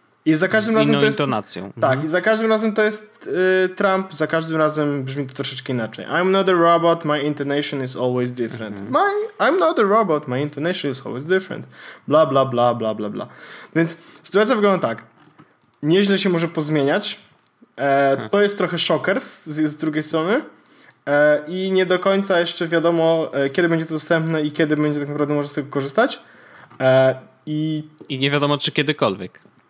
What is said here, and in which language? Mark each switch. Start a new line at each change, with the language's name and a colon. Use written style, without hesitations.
Polish: I za każdym razem to jest intonacją. Tak, i za każdym razem to jest Trump, za każdym razem brzmi to troszeczkę inaczej.
English: I'm not a robot, my intonation is always different. I'm not a robot, my intonation is always different. Bla, bla, bla, bla, bla, bla.
Polish: Więc sytuacja wygląda tak. Nieźle się może pozmieniać. To jest trochę szoker z drugiej strony. I nie do końca jeszcze wiadomo, kiedy będzie to dostępne i kiedy będzie tak naprawdę można z tego korzystać. I nie wiadomo, czy kiedykolwiek.